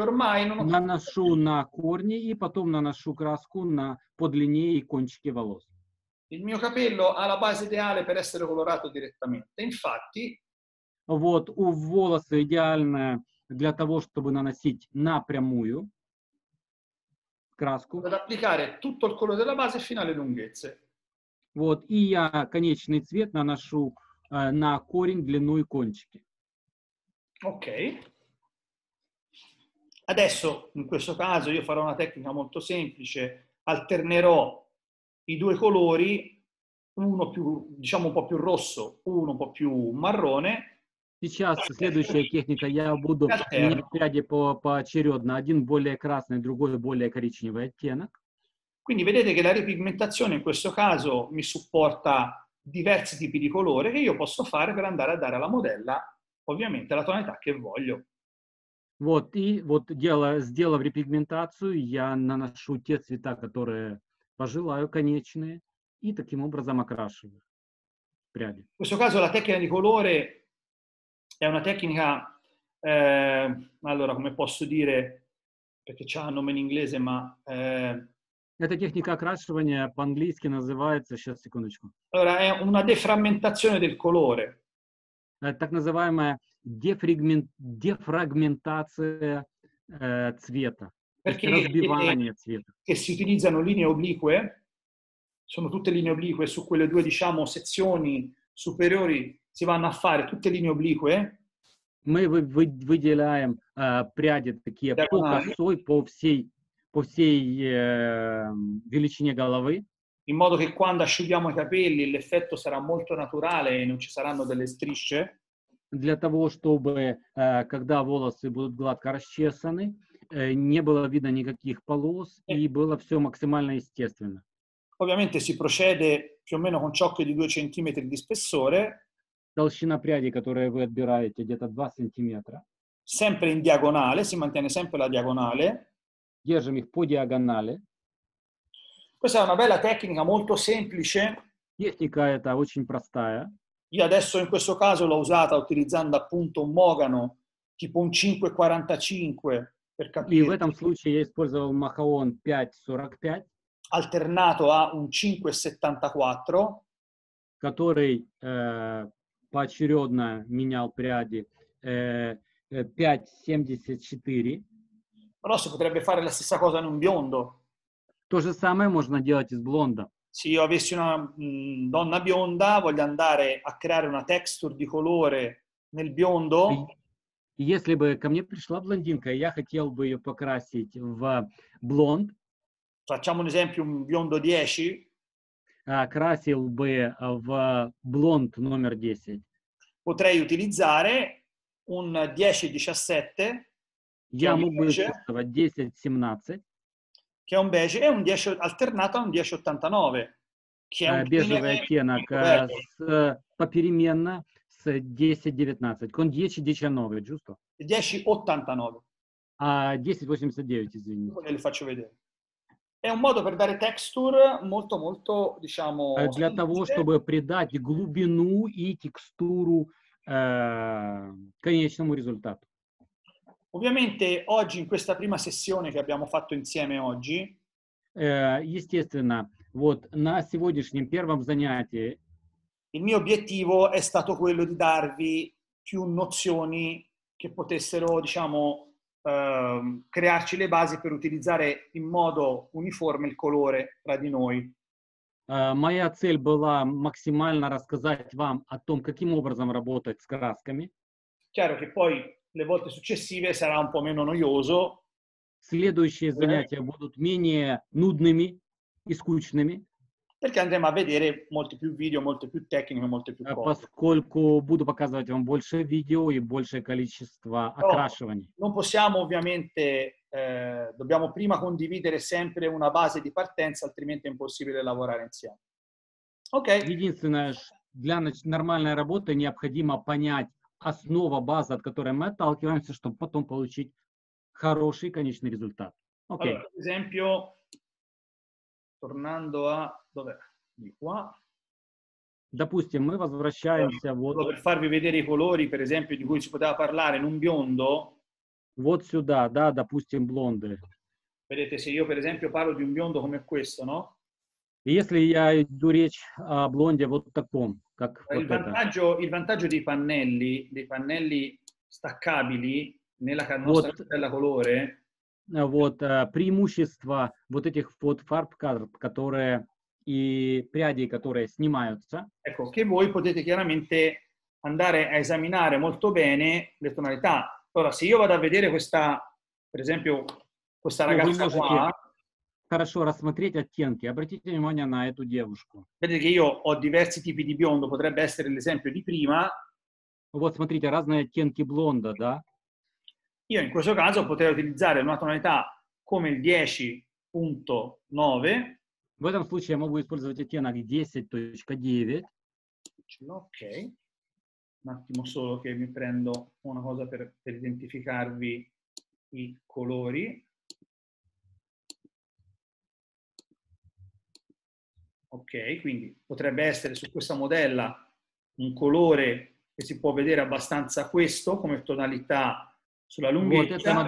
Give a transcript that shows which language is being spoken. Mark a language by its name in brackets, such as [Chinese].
[Italian] Ormai non ho. [Russian] Наношу на корни и потом наношу краску на по длине и кончике волос. [Italian] Il mio capello ha la base ideale per essere colorato direttamente. Infatti. [Russian] Вот у волосы идеально для того, чтобы наносить напрямую. Краску. [Italian] Ad applicare tutto il colore della base fino alle lunghezze. [Russian] Вот, и я конечный цвет наношу на корень, длину и кончики. Ok. [Italian] Adesso, in questo caso, io farò una tecnica molto semplice. Alternerò i due colori, uno più, diciamo, un po' più rosso, uno un po' più marrone. [Russian] Сейчас следующая техника, я буду менять пряди поочередно. Один более красный, другой более коричневый оттенок. [Italian] Quindi vedete che la ripigmentazione in questo caso mi supporta diversi tipi di colore che io posso fare per andare a dare alla modella, ovviamente, la tonalità che voglio. [Russian] Вот, и вот сделав репигментацию, я наношу те цвета, которые пожелаю конечные, и таким образом окрашиваю пряди. [Italian] In questo caso la tecnica di colore è una tecnica, allora come posso dire, perché c'ha un nome in inglese, ma... Questa tecnica [Russian] окрашивания по-английски называется, сейчас секундочку. [Italian] Allora, è una deframmentazione del colore. [Russian] Так называемая дефрагментация цвета. [Italian] Perché [Russian] разбивание цвета. [Italian] Che si utilizzano linee oblique, sono tutte linee oblique su quelle due, diciamo, sezioni superiori, si vanno a fare tutte linee oblique. [Russian] Мы выделяем пряди такие по косой, по всей величине головы. [Italian] In modo che quando asciughiamo i capelli l'effetto sarà molto naturale e non ci saranno delle strisce. [Russian] Для того, чтобы когда волосы будут гладко расчесаны, не было видно никаких полос и было все максимально естественно. [Italian] Ovviamente si procede più o meno con ciocche di 2 cm di spessore. [Russian] Толщина пряди, которую вы отбираете, где-то 2 сантиметра. [Italian] Sempre in diagonale, si mantiene sempre la diagonale. [Russian] Держим их по диагонали. [Italian] Questa è una bella tecnica, molto semplice. [Russian] Техника эта очень простая. [Italian] Io adesso in questo caso l'ho usata utilizzando appunto un mogano [Russian] типа он 5.45. И в этом случае я использовал Махаон 5.45. [Italian] Альтернато а un 5.74. [Russian] Который поочередно менял пряди 5.74. [Italian] Però si potrebbe fare la stessa cosa in un biondo. [Russian] То же самое можно делать из блонда. [Italian] Se io avessi una donna bionda, voglio andare a creare una texture di colore nel biondo. [Russian] Если бы ко мне пришла блондинка, я хотел бы ее покрасить в блонд. [Italian] Facciamo un esempio, un biondo 10. [Russian] Красил бы в блонд номер 10. [Italian] Potrei utilizzare un 10-17. [Russian] Я мог бы использовать 10-17. [Italian] Che è un beige, è un 10 alternato a un 10-89. Che è un [Russian] бежевый оттенок попеременно с 10-19. [Italian] Con 10-19, giusto? 10-89. [Russian] 10-89, извини. [Italian] Ve le faccio vedere. È un modo per dare texture molto, molto, diciamo... [Russian] Для того, чтобы придать глубину и текстуру конечному результату. [Italian] Ovviamente oggi in questa prima sessione che abbiamo fatto insieme oggi, [Russian] естественно, вот на сегодняшнем первом занятии, [Italian] il mio obiettivo è stato quello di darvi più nozioni che potessero, diciamo, crearci le basi per utilizzare in modo uniforme il colore tra di noi. [Russian] Моя цель была максимально рассказать вам о том, каким образом работать с красками. [Italian] Chiaro che poi le volte successive sarà un po' meno noioso. [Russian] Следующие занятия будут менее нудными и скучными. [Italian] Perché andremo a vedere molti più video, molte più tecniche, molte più cose. [Russian] Поскольку буду показывать вам больше видео и большее количество окрашиваний. [Italian] Non possiamo ovviamente, dobbiamo prima condividere sempre una base di partenza, altrimenti è impossibile lavorare insieme. Ok. [Russian] Единственное, для нормальной работы необходимо понять основа, база, от которой мы отталкиваемся, чтобы потом получить хороший конечный результат. Окей. [Italian] Allora, esempio, tornando a dove? Di qua. [Russian] Допустим, мы возвращаемся вот. [Italian] Per farvi vedere i colori, per esempio, di cui si poteva parlare in un biondo. [Russian] Вот сюда, да, допустим, блонды. [Italian] Vedete, se io, per esempio, parlo di un biondo come questo, no? [Russian] Если я иду речь о блонде вот таком. Как [Italian] il, vantaggio, il vantaggio dei pannelli staccabili nella nostra cartella colore. [Russian] Вот преимущество вот этих вот фарб карт, которые и пряди, которые снимаются. [Italian] Ecco, che voi potete chiaramente andare a esaminare molto bene le tonalità. Allora, se io vado a vedere questa, per esempio, questa ragazza qua. [Russian] Хорошо рассмотреть оттенки. Обратите внимание на эту девушку. [Italian] Vedete che io ho diversi tipi di biondo, potrebbe essere l'esempio di prima. [Russian] Вот смотрите, разные оттенки блонда, да? [Italian] Io in questo caso potrei utilizzare una tonalità come il 10.9. [Russian] В этом случае я могу использовать оттенок 10.9. Ok. [Italian] Un attimo solo che mi prendo una cosa per identificarvi i colori. Ok, quindi potrebbe essere su questa modella un colore che si può vedere abbastanza questo come tonalità sulla lunghezza.